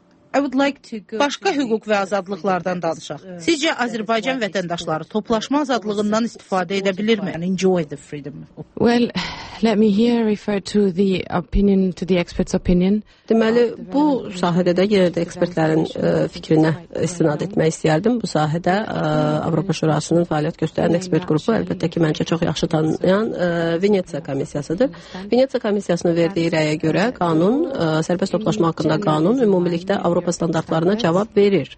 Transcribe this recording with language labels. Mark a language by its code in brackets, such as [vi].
[az] Başqa hüquq və azadlıqlardan danışaq. Sizcə Azərbaycan vətəndaşları toplaşma azadlığından istifadə edə bilirmi? [en] Enjoy the freedom. Well, let me here refer to the opinion, to the expert's opinion. [az] Deməli, bu sahədə də yenə də ekspertlərin fikrinə istinad etmək istəyərdim. Bu sahədə Avropa Şurasının fəaliyyət göstərən ekspert qrupu, əlbəttə ki, məncə çox yaxşı tanıyan Venetsiya komissiyasıdır. Venetsiya komissiyasının verdiyi rəyə görə qanun, sərbəst toplaşma haqqında qanun ümumilikdə Avropa standartlarına cavab verir.